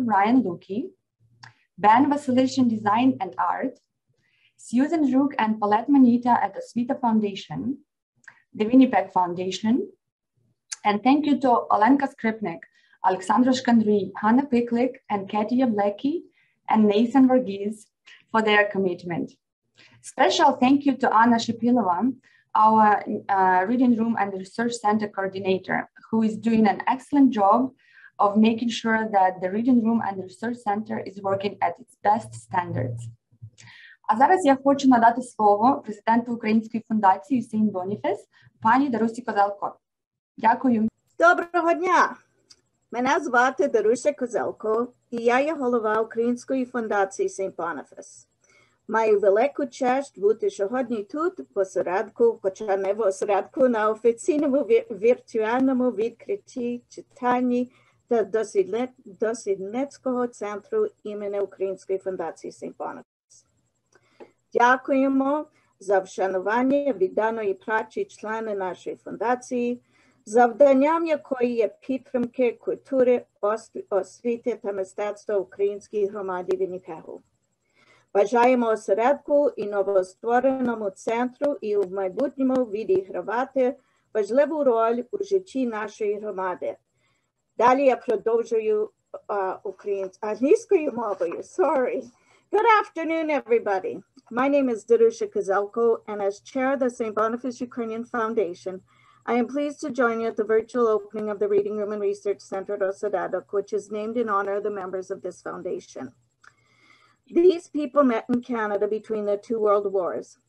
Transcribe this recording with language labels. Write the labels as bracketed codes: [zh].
[en] Brian Luki, Ben Vasilishin Design and Art, Susan Zhuk and Paulette Manita at the Svita Foundation, the Winnipeg Foundation, and thank you to Olenka Skripnik, Alexandra Shkandri, Hannah Piklik, and Katia Blecki, and Nathan Varghese for their commitment. Special thank you to Anna Shapilova, our Reading Room and Research Center Coordinator, who is doing an excellent job of making sure that the Reading Room and Research Center is working at its best standards. [uk] А зараз я хочу надати слово президенту Української фундації Юсейн Боніфес, пані Дарусі Козелко. Дякую. Доброго дня! Мене звати Даруся Козелко, і я є голова Української фундації Saint Boniface. Маю велику честь бути сьогодні тут, в Осередку, хоча не в Осередку, на офіційному віртуальному відкритті читанні та дослідницького центру імені Української фундації Saint Boniface. Дякуємо за вшанування відданої праці члени нашої фундації, завданням якої є підтримки культури, освіти та мистецтва українській громаді Вінніпегу. Бажаємо Осередку і новоствореному центру і в майбутньому відігравати важливу роль у житті нашої громади. Далі я продовжую англійською мовою. [en] Sorry. Good afternoon, everybody. My name is Darusha Kozelko, and as chair of the St. Boniface Ukrainian Foundation, I am pleased to join you at the virtual opening of the Reading Room and Research Center at Oseredok, which is named in honor of the members of this foundation. These people met in Canada between the two world wars.